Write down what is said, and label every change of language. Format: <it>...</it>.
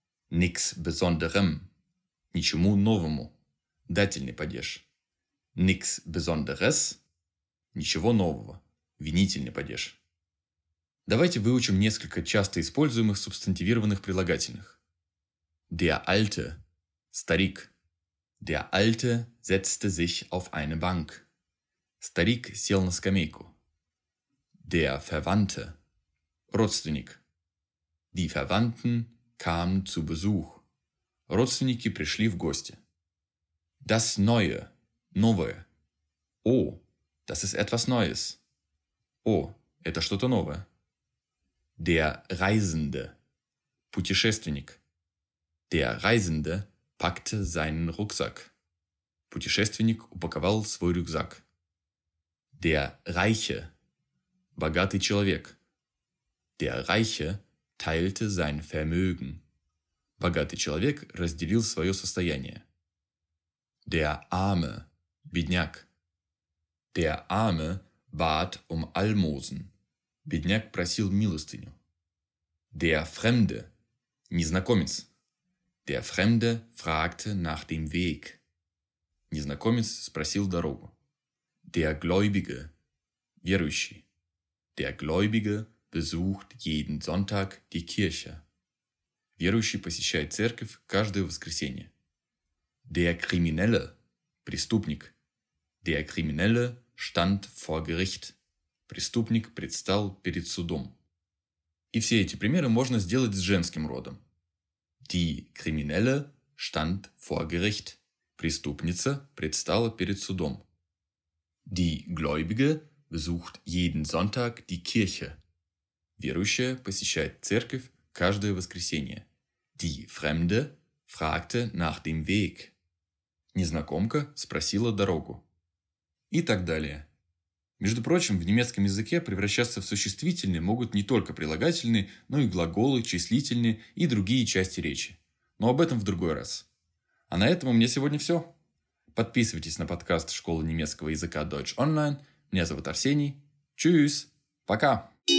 <de>Nichts Besonderem</de> <ru>– ничему новому, дательный падеж.</ru> <de>Nichts Besonderes</de> <ru>– ничего нового, винительный падеж. Давайте выучим несколько часто используемых субстантивированных прилагательных.</ru> <de>Der Alte – старик. Der Alte setzte sich auf eine Bank.</de> <ru>Старик сел на скамейку.</ru> <de>Der Verwandte – родственник. Die Verwandten kamen zu Besuch.</de> <ru>Родственники пришли в гости.</ru> <de>Das Neue –</de> <ru>новое.</ru> <de>О, das ist etwas Neues.</de> <ru>О, это что-то новое.</ru> <de>Der Reisende.</de> <ru>Путешественник.</ru> <de>Der Reisende packte seinen Rucksack.</de> <ru>Путешественник упаковал свой рюкзак.</ru> <de>Der Reiche.</de> <ru>Богатый человек.</ru> <de>Der Reiche teilte sein Vermögen.</de> <ru>Богатый человек разделил свое состояние.</ru> <de>Der Arme.</de> <ru>Бедняк.</ru> <de>Der Arme bat um Almosen.</de> <ru>Бедняк просил милостыню.</ru> <de>Der Fremde.</de> <ru>Незнакомец.</ru> <de>Der Fremde fragte nach dem Weg.</de> <ru>Незнакомец спросил дорогу.</ru> <de>Der Gläubige.</de> <ru>Верующий.</ru> <de>Der Gläubige besucht jeden Sonntag die Kirche.</de> <ru>Верующий посещает церковь каждое воскресенье.</ru> <de>Der Kriminelle.</de> <ru>Преступник.</ru> <de>Der Kriminelle stand vor Gericht.</de> <ru>Преступник предстал перед судом. И все эти примеры можно сделать с женским родом.</ru> <de>Die Kriminelle stand vor Gericht.</de> <ru>Преступница предстала перед судом.</ru> <de>Die Gläubige besucht jeden Sonntag die Kirche.</de> <ru>Верующая посещает церковь каждое воскресенье.</ru> <de>Die Fremde fragte nach dem Weg.</de> <ru>Незнакомка спросила дорогу. И так далее. Между прочим, в немецком языке превращаться в существительные могут не только прилагательные, но и глаголы, числительные и другие части речи. Но об этом в другой раз. А на этом у меня сегодня все. Подписывайтесь на подкаст школы немецкого языка Deutsch Online. Меня зовут Арсений.</ru> <de>Tschüss.</de> <ru>Пока.</ru>